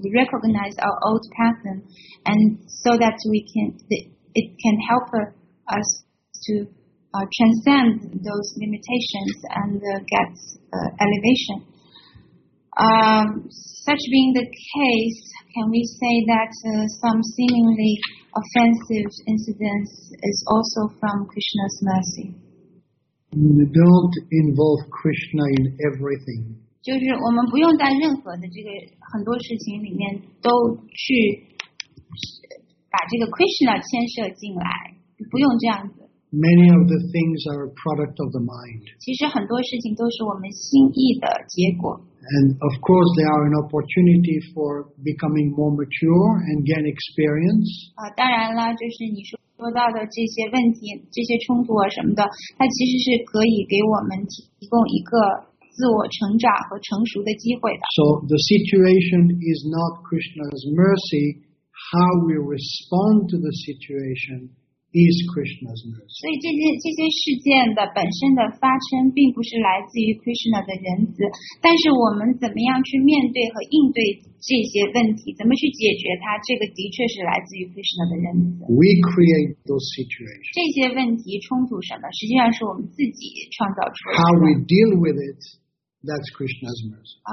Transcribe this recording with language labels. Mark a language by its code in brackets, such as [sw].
[en] We recognize our old pattern, and so that it can help us to transcend those limitations and get elevation. Such being the case, can we say that some seemingly offensive incidents is also from Krishna's mercy? Don't involve Krishna in everything. [zh] 就是我们不用在任何的这个很多事情里面都去把这个 Krishna 牵涉进来，不用这样子。 [en] Many of the things are a product of the mind. [zh] 其实很多事情都是我们心意的结果。 [en] And of course, they are an opportunity for becoming more mature and gain experience. [zh] 当然了，就是你说到的这些问题、这些冲突啊什么的，它其实是可以给我们提供一个自我成长和成熟的机会的。 [en] So the situation is not Krishna's mercy. How we respond to the situation is Krishna's mercy. [zh] 所以这些事件的本身的发生，并不是来自于 Krishna 的仁慈，但是我们怎么样去面对和应对这些问题，怎么去解决它，这个的确是来自于 Krishna 的仁慈。 [en] We create those situations. [zh] 这些问题冲突什么，实际上是我们自己创造出来的。 [en] How we deal with it, that's Krishna's mercy.